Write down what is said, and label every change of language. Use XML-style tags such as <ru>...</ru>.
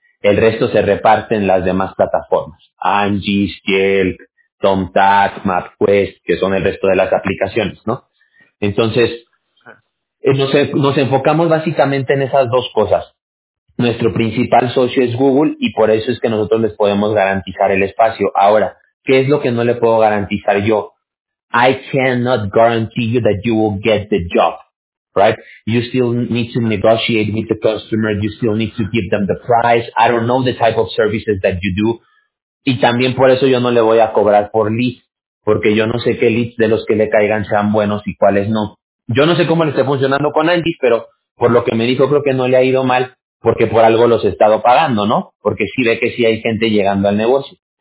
<es>El resto se reparte en las demás plataformas. Angie, Yelp, Tomcat, MapQuest, que son el resto de las aplicaciones, ¿no? Entonces, nos enfocamos básicamente en esas dos cosas. Nuestro principal socio es Google y por eso es que nosotros les podemos garantizar el espacio. Ahora, ¿qué es lo que no le puedo garantizar yo?</es> <en>I cannot guarantee you that you will get the job, right? You still need to negotiate with the customer. You still need to give them the price. I don't know the type of services that you do.</en> <es>Y también por eso yo no le voy a cobrar por leads, porque yo no sé qué leads de los que le caigan sean buenos y cuáles no. Yo no sé cómo le esté funcionando con Andy, pero por lo que me dijo creo que no le ha ido mal, porque por algo los he estado pagando, ¿no? Porque sí ve que sí hay gente llegando al negocio.</es>